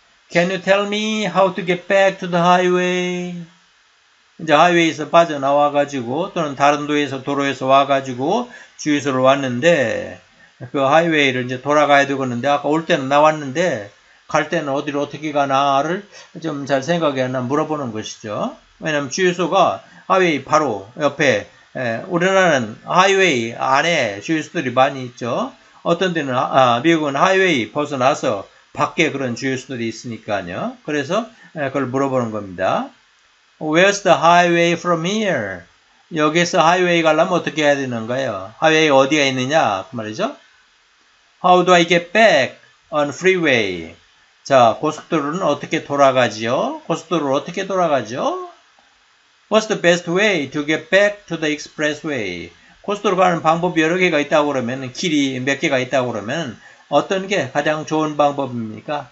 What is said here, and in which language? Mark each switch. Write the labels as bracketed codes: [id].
[en] Can you tell me how to get back to the highway? [ko] 이제 하이웨이에서 빠져나와가지고 또는 다른 도로에서 와가지고 주유소를 왔는데 그 하이웨이를 이제 돌아가야 되겠는데 아까 올 때는 나왔는데 갈 때는 어디로 어떻게 가나를 좀 잘 생각이 안 나 물어보는 것이죠. 왜냐면 주유소가 하이웨이 바로 옆에 우리나라는 하이웨이 안에 주유소들이 많이 있죠. 어떤 데는 미국은 하이웨이 벗어나서 밖에 그런 주유소들이 있으니까요. 그래서 그걸 물어보는 겁니다. [en] Where's the highway from here? [ko] 여기서 하이웨이 가려면 어떻게 해야 되는가요? 하이웨이 어디가 있느냐 그 말이죠. [en] How do I get back on freeway? [ko] 자, 고속도로는 어떻게 돌아가지요? 고속도로를 어떻게 돌아가죠? [en] What's the best way to get back to the expressway? [ko] 고속도로 가는 방법이 여러 개가 있다고 그러면 길이 몇 개가 있다고 그러면 어떤 게 가장 좋은 방법입니까?